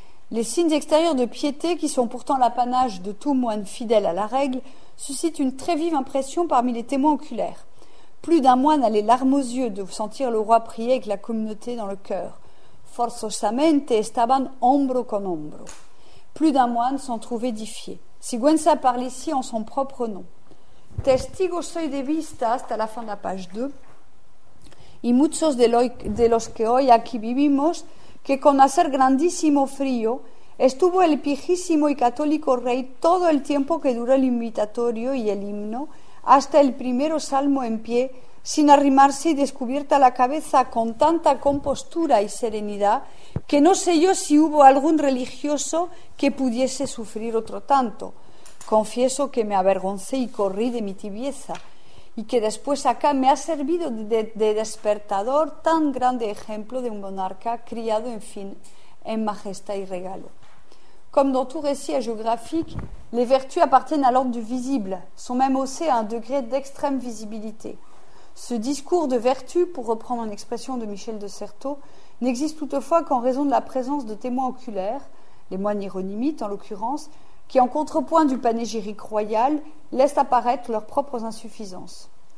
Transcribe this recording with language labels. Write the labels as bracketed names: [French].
[French] Les signes extérieurs de piété, qui sont pourtant l'apanage de tout moine fidèle à la règle, suscitent une très vive impression parmi les témoins oculaires. Plus d'un moine a les larmes aux yeux de sentir le roi prier avec la communauté dans le cœur. [Spanish] Forzosamente estaban hombro con hombro. [French] Plus d'un moine s'en trouve édifié. Sigüenza parle ici en son propre nom. [Spanish] Testigo soy de vista, hasta [French] la fin de la page 2, [Spanish] y muchos de los que hoy aquí vivimos, que con hacer grandísimo frío, estuvo el pijísimo y católico rey todo el tiempo que duró el invitatorio y el himno, hasta el primero salmo en pie, sin arrimarse y descubierta la cabeza con tanta compostura y serenidad, que no sé yo si hubo algún religioso que pudiese sufrir otro tanto. Confieso que me avergoncé y corrí de mi tibieza, y que después acá me ha servido de despertador tan grande ejemplo de un monarca criado, en fin, en majestad y regalo. [French] Comme dans tout récit hagiographique, les vertus appartiennent à l'ordre du visible, sont même haussées à un degré d'extrême visibilité. Ce discours de vertu, pour reprendre une expression de Michel de Certeau, n'existe toutefois qu'en raison de la présence de témoins oculaires, les moines hiéronymites en l'occurrence, qui, en contrepoint du panégyrique royal, laissent apparaître leurs propres insuffisances.